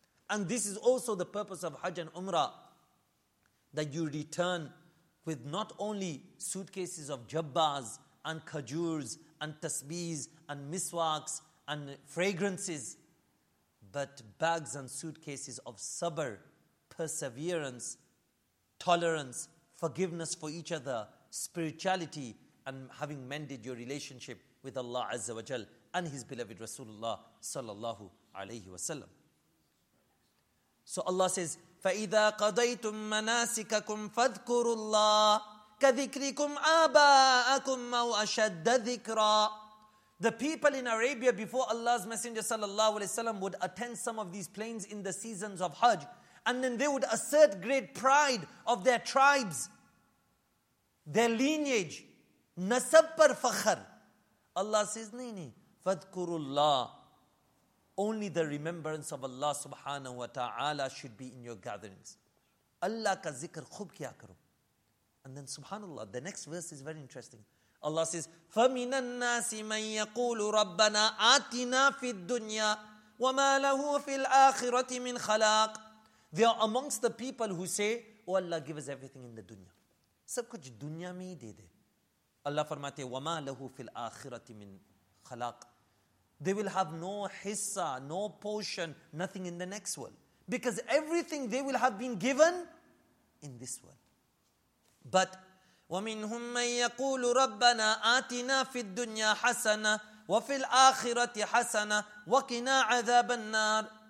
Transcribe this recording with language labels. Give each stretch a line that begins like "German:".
English: And this is also the purpose of Hajj and Umrah, that you return with not only suitcases of jabbas and khajurs and tasbees and miswaks and fragrances, but bags and suitcases of sabr, perseverance, tolerance, forgiveness for each other, spirituality, and having mended your relationship with Allah Azza wa Jal and His beloved Rasulullah sallallahu alayhi wasallam. So Allah says,
Arabic: فَإِذَا قَضَيْتُم مَنَاسِكَكُمْ فَاذْكُرُوا اللَّهِ كَذِكْرِكُمْ آبَاءَكُمْ أَوْ أَشَدَّ ذِكْرًا.
English: The people in Arabia before Allah's Messenger sallallahu alayhi wasallam would attend some of these plains in the seasons of Hajj, and then they would assert great pride of their tribes, their lineage.
Urdu: Nasab par fakhr.
English: Allah says,
Urdu: nahi, nahi.
Arabic: فَذْكُرُوا اللَّهِ.
English: Only the remembrance of Allah subhanahu wa ta'ala should be in your gatherings.
Urdu: Allah ka zikr khub kya karo.
English: And then subhanallah, the next verse is very interesting. Allah says,
Arabic: فَمِنَ النَّاسِ مَنْ يَقُولُ رَبَّنَا آتِنَا فِي الدُّنْيَا وَمَا لَهُ فِي الْآخِرَةِ مِنْ خَلَاقٍ.
English: They are amongst the people who say, oh Allah, give us everything in the dunya.
Urdu: Sab kuch dunya mein hi de de. Allah farmate,
Arabic: وَمَا لَهُ فِي الْآخِرَةِ مِنْ خَلَاقٍ.
English: They will have no hissa, no portion, nothing in the next world. Because everything they will have been given in this world. But,
Arabic: وَمِنْهُمْ مَنْ يَقُولُ رَبَّنَا آتِنَا فِي الدُّنْيَا حَسَنَةً وَفِي الْآخِرَةِ حَسَنَةً وَقِنَا عَذَابَ النَّارِ.